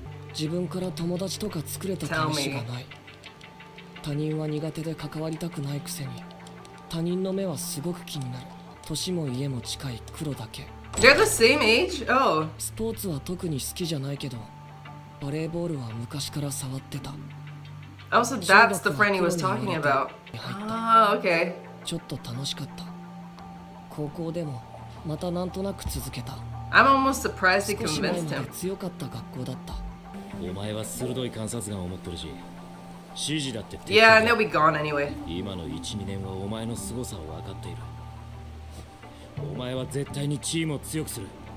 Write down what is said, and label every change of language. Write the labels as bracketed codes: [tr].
[ja] 自分から友達とか作れた試しがない。他人は苦手で関わりたくないくせに、他人の目はすごく気になる。年も家も近い黒だけ。 [en] They're the same age? Oh. [ja] スポーツは特に好きじゃないけど、バレーボールは昔から触ってた。 [en] Oh, so that's the friend he was talking about. Ah, okay. [ja] ちょっと楽しかった。高校でもまたなんとなく続けた。 [en] I'm almost surprised he convinced him. [ja] 少し前まで強かった学校だった。お前は鋭い観察眼を持ってるし、指示だって [en] 。 Yeah, they'll be gone anyway. [ja] 今の 1,2 年はお前の凄さを分かっている。お前は絶対にチームを強くする。